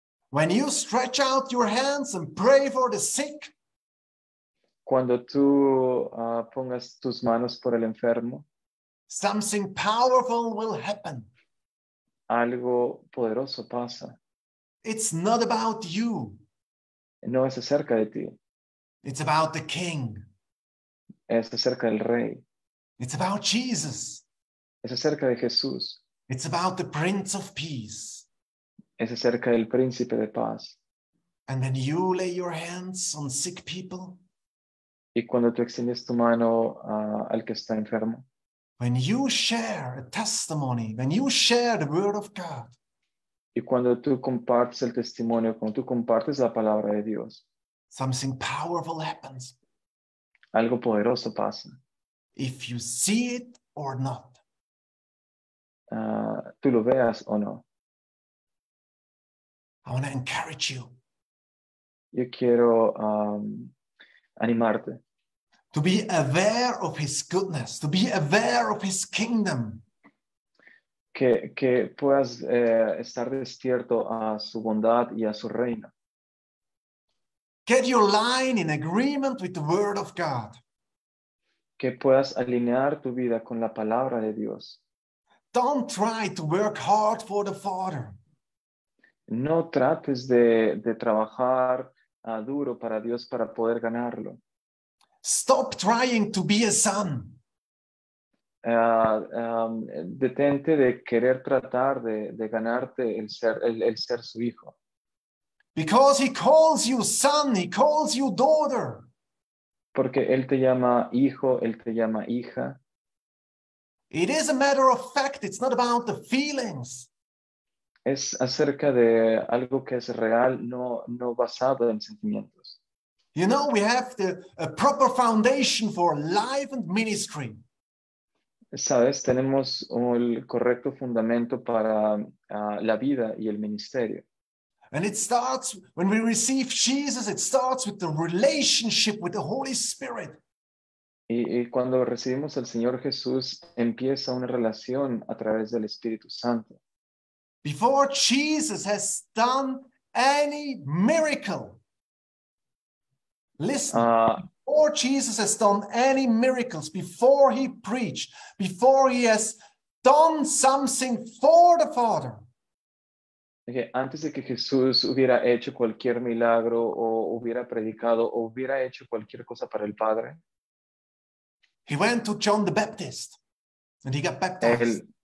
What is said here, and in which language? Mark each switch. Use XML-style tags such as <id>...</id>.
<en>When you stretch out your hands and pray for the sick.</en> <es>Cuando tú pongas tus manos por el enfermo.</es> <en>Something powerful will happen.</en> <es>Algo poderoso pasa.</es> <en>It's not about you.</en> <es>No es acerca de ti.</es> <en>It's about the king.</en> <es>Es acerca del rey.</es> <en>It's about Jesus.</en> <es>Es acerca de Jesús.</es> <en>It's about the Prince of Peace.</en> <es>Es acerca del Príncipe de Paz.</es> <en>And then you lay your hands on sick people.</en> <es>Y cuando tú extiendes tu mano al que está enfermo.</es> <en>When you share a testimony, when you share the word of God.</en> <es>Y cuando tú compartes el testimonio, cuando tú compartes la palabra de Dios.</es> <en>Something powerful happens.</en> <es>Algo poderoso pasa.</es> <en>If you see it or not.</en> <es>Tú lo veas o no.</es> <en>I want to encourage you.</en> <es>Yo quiero animarte.</es> <en>To be aware of his goodness. To be aware of his kingdom.</en> <es>Que puedas estar despierto a su bondad y a su reino.</es> <en>Get your line in agreement with the word of God.</en> <es>Que puedas alinear tu vida con la palabra de Dios.</es> <en>Don't try to work hard for the Father.</en> <es>No trates de trabajar duro para Dios para poder ganarlo.</es> <en>Stop trying to be a son.</en> <es>Detente de querer tratar de ganarte el ser su hijo.</es> <en>Because he calls you son, he calls you daughter.</en> <es>Porque él te llama hijo, él te llama hija.</es> <en>It is a matter of fact, it's not about the feelings.</en> <es>Es acerca de algo que es real, no basado en sentimientos.</es> <en>You know, we have a proper foundation for life and ministry.</en> <es>Sabes, tenemos el correcto fundamento para la vida y el ministerio.</es> <en>And it starts, when we receive Jesus, it starts with the relationship with the Holy Spirit.</en> <es>Y cuando recibimos al Señor Jesús, empieza una relación a través del Espíritu Santo.</es> <en>Before Jesus has done any miracle. Listen, before Jesus has done any miracles, before he preached, before he has done something for the Father. Okay.</en> <es>Antes de que Jesús hubiera hecho cualquier milagro o hubiera predicado o hubiera hecho cualquier cosa para el Padre.</es> <en>He went to John the Baptist and he got baptized.</en>